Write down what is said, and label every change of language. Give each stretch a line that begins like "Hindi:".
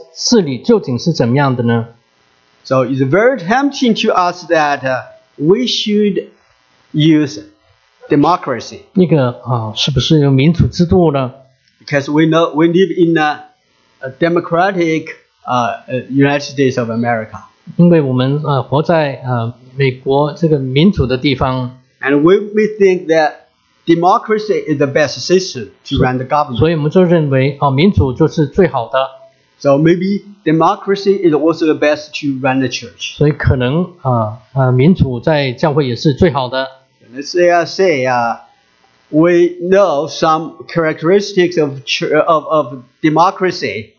Chinese: 所以一个教会的治理究竟是怎么样的呢?
English: So it's very tempting to us that we should use democracy.
Chinese: 那个是不是有民主制度呢?
English: Because we know we live in a democratic United States of America.
Chinese: 因为我们活在美国这个民主的地方。
English: And we may think that democracy is the best system to run the government.
Chinese: 所以我们就认为民主就是最好的。
English: So maybe democracy is also the best to run the church.
Chinese: 所以可能民主在教会也是最好的。
English: Let's say we know some characteristics of democracy.